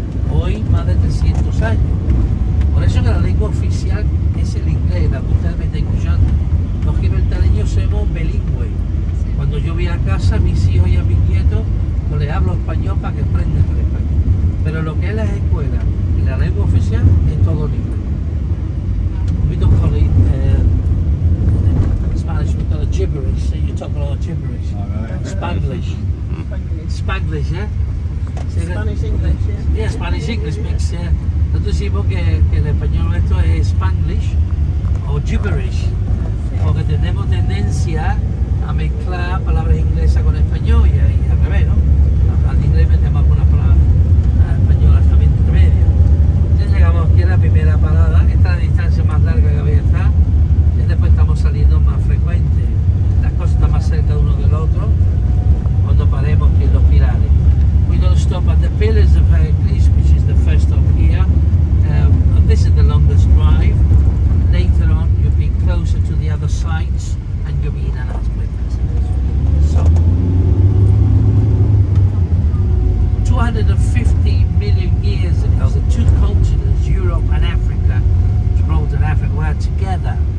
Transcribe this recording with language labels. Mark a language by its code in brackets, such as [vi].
[es] Hoy más de 300 años. Por eso que la lengua oficial es el inglés, la que ustedes me están escuchando. Los gibraltareños somos bilingües. Cuando yo voy a casa, a mis hijos y a mis nietos, pues les hablo español para que aprendan el español. Pero lo que es las escuelas y la lengua oficial es todo en inglés. [en] We don't call it Spanish, we call it gibberish. So you talk a lot of gibberish. Spanglish. Spanglish, yeah? Spanish-English, yeah. Yeah, Spanish-English mix, yeah. [es] Nosotros decimos que el español nuestro es Spanglish o gibberish, porque tenemos tendencia a mezclar palabras inglesas con español y al revés, ¿no? Al inglés metemos algunas palabras españolas también entre medio. Entonces llegamos aquí a la primera parada, que está a la distancia más larga que había estado, y después estamos saliendo más frecuente. Las cosas están más cerca uno del otro cuando paremos aquí en los pilares. [en] We don't stop at the Pillars of Hercules, which is the first stop here. This is the longest drive. Later on, you'll be closer to the other sites, and you'll be in and out with us. So, 250 million years ago, the two continents, Europe and Africa, Gibraltar and Africa, were together.